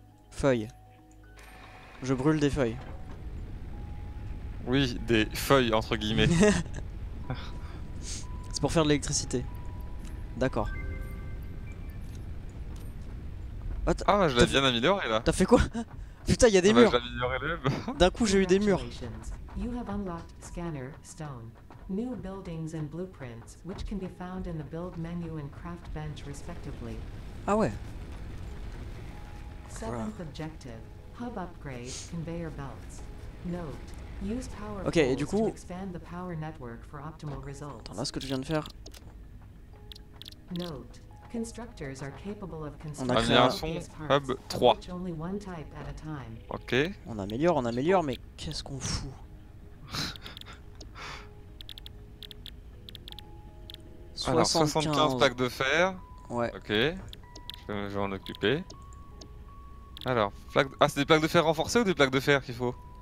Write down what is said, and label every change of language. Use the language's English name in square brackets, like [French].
[French] Feuilles. Je brûle des feuilles. Oui, des feuilles, entre guillemets. C'est pour faire de l'électricité. D'accord. Ah, je l'ai bien amélioré, là. T'as fait quoi? Putain, il y a des murs. J'ai amélioré le même. D'un coup, j'ai eu des murs. [English] You have unlocked scanner stone. New buildings and blueprints, which can be found in the build menu and craft bench, respectively. [French] Ah ouais. [English] Seventh objective, hub upgrade conveyor belts. Note, use power poles to expand the power network for optimal results. [French] Attends, là, ce que tu viens de faire. [English] Note, constructors are capable of constructing various parts, hub 3. Of which only one type at a time. [French] Ok. On améliore, mais qu'est-ce qu'on fout? Alors, 75 plaques de fer. Ouais. Ok. Je vais m'en occuper. Alors, c'est des plaques de fer renforcées ou des plaques de fer qu'il faut?